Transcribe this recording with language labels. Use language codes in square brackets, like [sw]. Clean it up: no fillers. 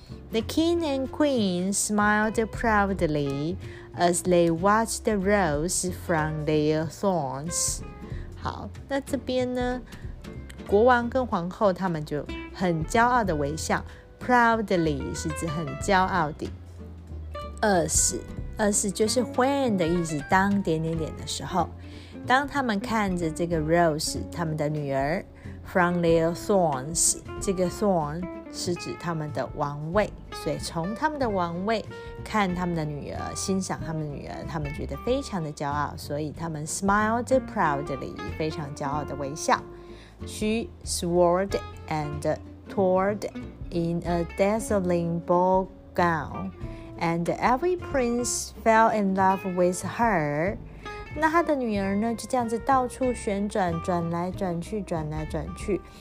[en] The king and queen smiled proudly as they watched the rose from their thorns。 [zh] 好，那这边呢，国王跟皇后他们就很骄傲的微笑。 proudly 是指很骄傲的。as 就是 when 的意思，当点点点的时候，当他们看着这个 Rose 他们的女儿 from their thorns， 这个 thorn 是指他们的王位，所以从他们的王位看他们的女儿，欣赏他们的女儿，他们觉得非常的骄傲，所以他们 smiled proudly， 非常骄傲的微笑。 [en] She swore and toured in a dazzling ball gown。 And every prince fell in love with her. [zh] 那他的女儿呢，就这样子到处旋转，转来转去，转来转去。